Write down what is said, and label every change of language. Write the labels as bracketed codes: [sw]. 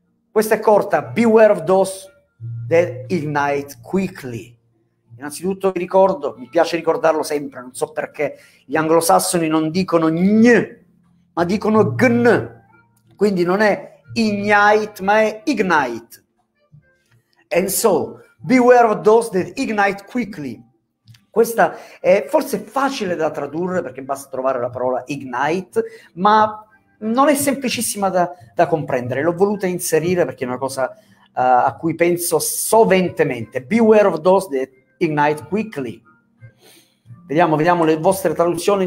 [it] Questa è corta: [en] beware of those that ignite quickly. [it] Innanzitutto vi ricordo, mi piace ricordarlo sempre, non so perché, gli anglosassoni non dicono gn, ma dicono gn, quindi non è ignite ma è ignite. [en] And so beware of those that ignite quickly. [it] Questa è forse facile da tradurre perché basta trovare la parola ignite, ma non è semplicissima da comprendere. L'ho voluta inserire perché è una cosa a cui penso soventemente. [en] Beware of those that ignite quickly. [it] Vediamo le vostre traduzioni.